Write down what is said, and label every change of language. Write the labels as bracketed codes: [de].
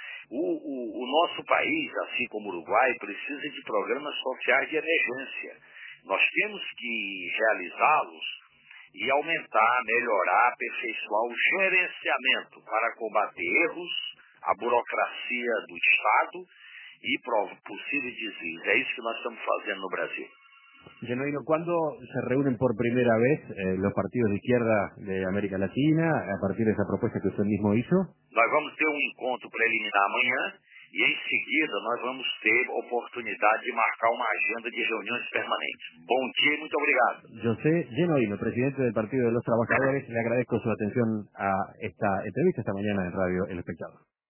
[pt] O nosso país, assim como o Uruguai, precisa de programas sociais de emergência. Nós temos que realizá-los e aumentar, melhorar, aperfeiçoar o gerenciamento para combater erros, a burocracia do Estado e possíveis desvios. É isso que nós estamos fazendo no Brasil. [es] Genoino, ¿cuándo se reúnen por primera vez los partidos de izquierda de América Latina a partir de esa propuesta que usted mismo hizo? [pt] Nós vamos ter um encontro preliminar amanhã e em seguida nós vamos ter oportunidade de marcar uma agenda de reuniões permanentes. Bom dia e muito obrigado. [es] José Genoino, presidente do Partido de los Trabajadores, le agradezco su atención a esta entrevista esta mañana en Radio El Espectador.